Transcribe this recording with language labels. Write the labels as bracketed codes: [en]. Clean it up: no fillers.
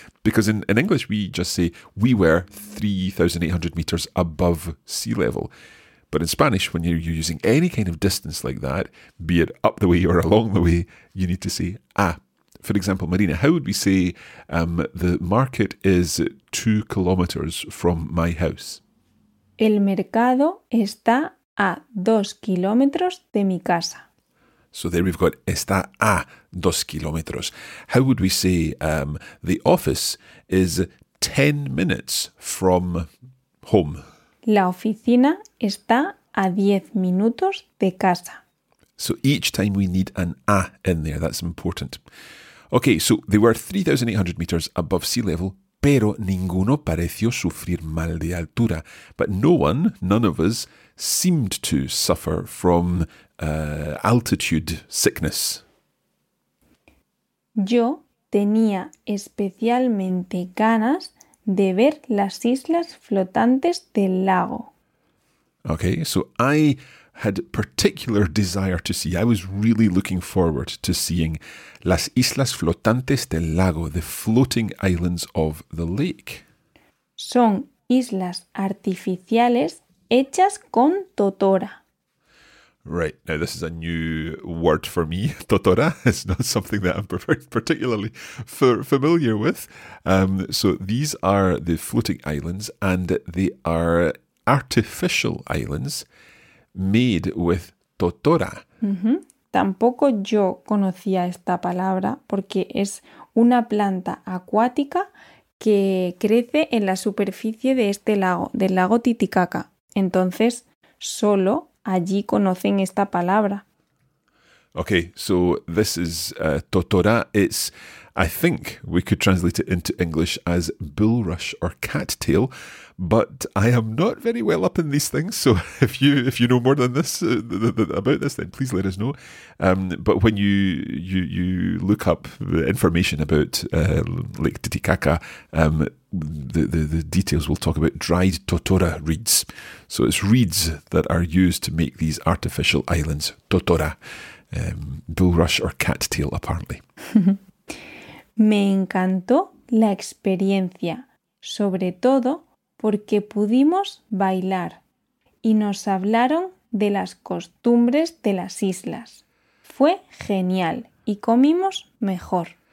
[en] Because in English we just say we were 3,800 meters above sea level. But in Spanish, when you're using any kind of distance like that, be it up the way or along the way, you need to say a. For example, Marina, how would we say the market is 2 kilometers from my house? [es] El mercado está a 2 kilómetros de mi casa. [en] So there we've got [es] está a 2 kilómetros. [en] How would we say the office is 10 minutes from home? [es] La oficina está a 10 minutos de casa. [en] So each time we need an a in there, that's important. Okay, so they were 3,800 meters above sea level, [es] pero ninguno pareció sufrir mal de altura. [en] But no one, none of us, seemed to suffer from altitude sickness. [es] Yo tenía especialmente ganas de ver las islas flotantes del lago. [en] Okay, so I had particular desire to see. I was really looking forward to seeing [es] las islas flotantes del lago, [en] the floating islands of the lake. [es] Son islas artificiales hechas con totora. [en] Right, now this is a new word for me, totora. It's not something that I'm particularly familiar with. So these are the floating islands, and they are artificial islands made with totora. Mm-hmm. [es] Tampoco yo conocía esta palabra porque es una planta acuática que crece en la superficie de este lago, del lago Titicaca. Entonces, solo allí conocen esta palabra. [en] Okay, so this is totora. It's, I think we could translate it into English as bulrush or cattail, but I am not very well up in these things. So if you know more than this about this, then please let us know. But when you look up the information about Lake Titicaca, the details will talk about dried totora reeds. So it's reeds that are used to make these artificial islands, totora. Bulrush or cattail, apparently. [es] Me encantó la experiencia, sobre todo porque pudimos bailar y nos hablaron de las costumbres de las islas. Fue genial y comimos mejor.